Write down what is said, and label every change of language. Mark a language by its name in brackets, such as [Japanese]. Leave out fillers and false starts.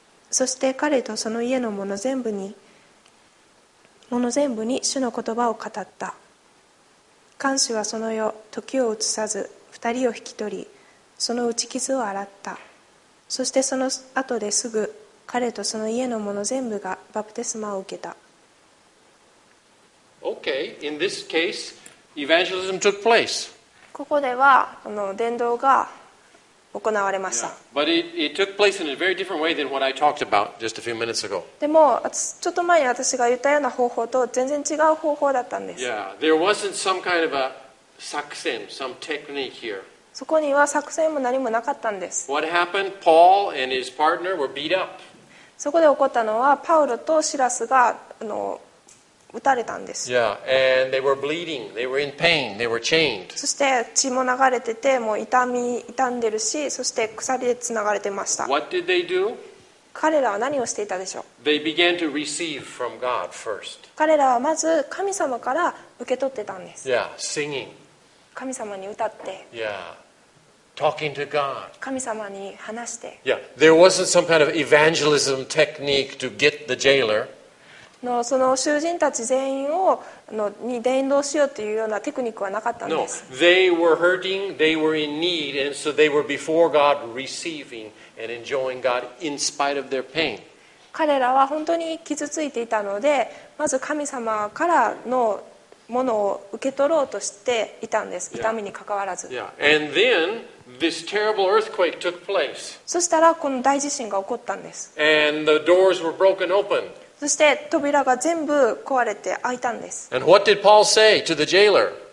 [Japanese] そして彼とその家の者全部に主の言葉を語った。看守はその夜、時を移さず二人を引き取り、その打ち傷を洗った。そしてその後ですぐ、彼とその家の者全部がバプテスマを受けた。 [English] Okay, in this case, evangelism took place. [Japanese] ここでは伝道が行われました。 [English] Yeah. But it took place in a very different way than what I talked about just a few minutes ago. [Japanese] でも、ちょっと前に私が言ったような方法と全然違う方法だったんです。 [English] Yeah, there wasn't some kind of a succinct, some technique here. [Japanese] そこには作戦も何もなかったんです。 [English] What happened? Paul and his partner were beat up. [Japanese] そこで起こったのはパウロとシラスが撃たれたんです。 [English] Yeah, and they were bleeding. They were in pain. They were chained. [Japanese] そして血も流れてて、もう痛んでるし、そして鎖でつながれてました。 [English] What did they do? [Japanese] 彼らは何をしていたでしょう。 [English] They began to receive from God first. [Japanese] 彼らはまず神様から受け取ってたんです。 [English] Yeah, singing. [Japanese] 神様に歌って、 [English] yeah. Talking to God. [Japanese] 神様に話して、 [English] yeah. There wasn't some kind of evangelism technique to get the jailer. [Japanese] のその囚人たち全員をのに伝道しようというようなテクニックはなかったんです。 [English] No, they were hurting, they were in need, and so they were before God receiving and enjoying God in spite of their pain. [Japanese] 彼らは本当に傷ついていたので、まず神様からのものを受け取ろうとしていたんです。痛みに関わらず。 [English] Yeah. And then, this terrible earthquake took place. [Japanese] そしたらこの大地震が起こったんです。 [English] And the doors were broken open. [Japanese] そして扉が全部壊れて開いたんです。 [English] And what did Paul say to the jailer?